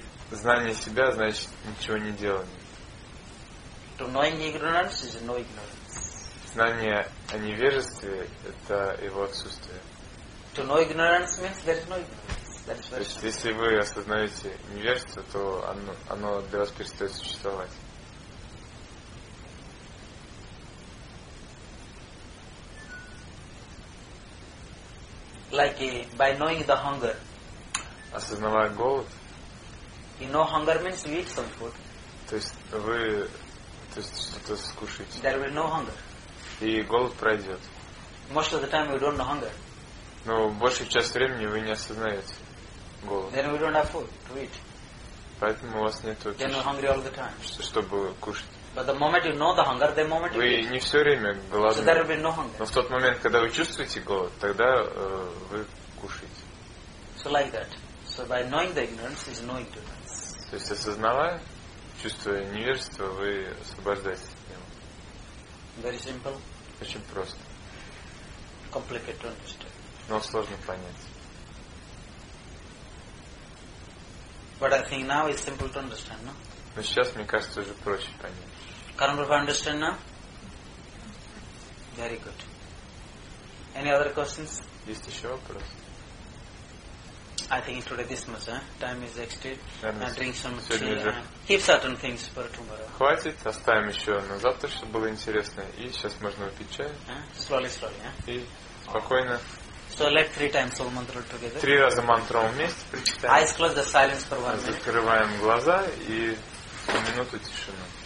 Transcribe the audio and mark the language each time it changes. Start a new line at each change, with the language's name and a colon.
Russian: Знание себя значит ничего не делание.
English: To knowing ignorance is no ignorance.
Russian: Знание о невежестве – это его отсутствие.
English: To know ignorance means there is no ignorance.
Russian: То есть, если вы осознаете невежество, то оно для вас перестает существовать.
English: Like by knowing the hunger.
Russian: Осознавая голод.
English: You know hunger means you eat some food.
Russian: То есть что-то скушаете.
English: There will be no hunger.
Russian: И голод пройдет.
English: Most of the time you don't know hunger.
Russian: Но большую часть времени вы не осознаете. Голод.
English: Then we don't have food to eat.
Russian: Поэтому у вас нету.
English: Then you're hungry all the time.
Russian: Чтобы кушать.
English: But the moment you know the hunger, the moment
Russian: вы
English: you
Russian: не все время голодны.
English: So there will be no hunger.
Russian: Но в тот момент, когда вы чувствуете голод, тогда вы кушаете.
English: So like that. So by knowing the ignorance is no ignorance.
Russian: То есть осознавая, чувствуя невежество, вы освобождаетесь от него.
English: Very simple.
Russian: Очень просто.
English: Complicated to understand.
Russian: Но сложно понять.
English: But I think now it's simple to understand, no?
Russian: Но сейчас, мне кажется, уже проще понять.
English: Karma Prabhu, understand now? Very good. Any other questions?
Russian: Есть еще вопрос?
English: I think today this much, Time is exceeded. And drink some tea. Keep certain things for tomorrow.
Russian: Хватит, оставим еще на завтра, чтобы было интересно. И сейчас можно выпить чай.
English: Slowly.
Russian: И спокойно.
English: So let 3 times all mantra together.
Russian: 3 раза мантру вместе прочитаем.
English: Eyes closed, the silence for 1 minute.
Russian: Закрываем глаза и минуту тишины.